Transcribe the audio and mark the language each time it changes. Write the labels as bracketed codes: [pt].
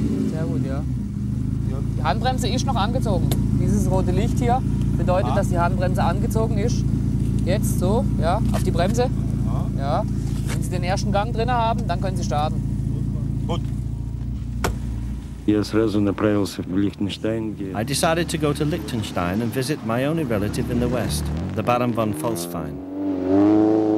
[de] Sehr gut, ja. Die Handbremse ist noch angezogen. Dieses rote Licht hier bedeutet, dass die Handbremse angezogen ist. Jetzt so, ja, auf die Bremse. Ja. Wenn Sie den ersten Gang drin haben, dann können Sie starten. Gut. [ru] Я сразу направился в Лихтенштейн, где [en] I decided to go to Liechtenstein and visit my only relative in the West, the Baron von Falzfein.